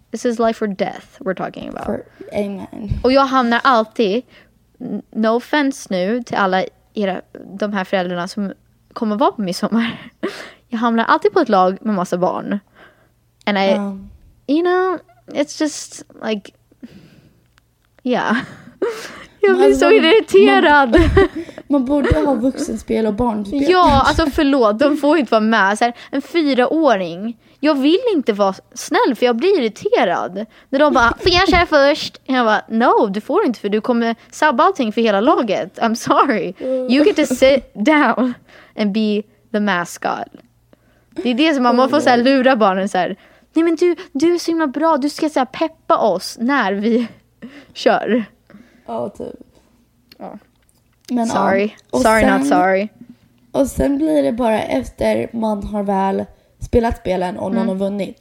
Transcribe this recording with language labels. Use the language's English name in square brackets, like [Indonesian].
[English] This is life or death we're talking about. Amen. [Swedish] Och jag hamnar alltid, [English] no offense [Swedish] nu, till alla era, de här föräldrarna som kommer vara på midsommar. Jag hamnar alltid på ett lag med massa barn. [English] And I, you know, it's just like, yeah. [Swedish] Jag blir så irriterad. Man borde ha vuxenspel och barnspel. Ja, alltså förlåt, de får inte vara med. Så här, en 4-åring, jag vill inte vara snäll, för jag blir irriterad. När de bara, får jag köra först? Jag bara, no, du får inte, för du kommer sabba allting för hela laget. [English] I'm sorry. You get to sit down and be the mascot. [Swedish] Det är det som man får så här lura barnen så här. Nej, men du är så himla bra. Du ska så här peppa oss när vi kör. Ja, typ. Ja. Men, sorry. Ja. Sorry, sen, [English] not sorry. [Swedish] Och sen blir det bara efter man har väl spelat spelen och någon har vunnit.